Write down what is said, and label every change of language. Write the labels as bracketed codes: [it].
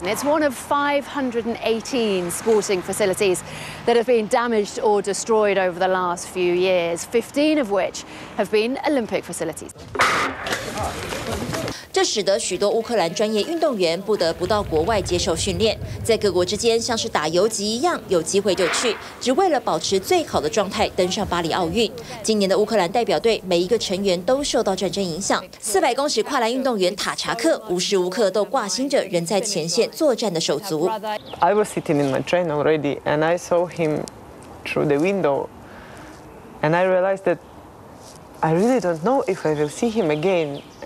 [en] It's one of 518 sporting facilities that have been damaged or destroyed over the last few years, 15 of which have been Olympic facilities. [zh] 这使得许多乌克兰专业运动员不得不到国外接受训练，在各国之间像是打游击一样，有机会就去，只为了保持最好的状态登上巴黎奥运。今年的乌克兰代表队每一个成员都受到战争影响，400公尺跨栏运动员塔查克无时无刻都挂心着人在前线作战的手足。 [en] I was sitting in my train already, and I saw him through the window, and I realized that I really don't know if I will see him again.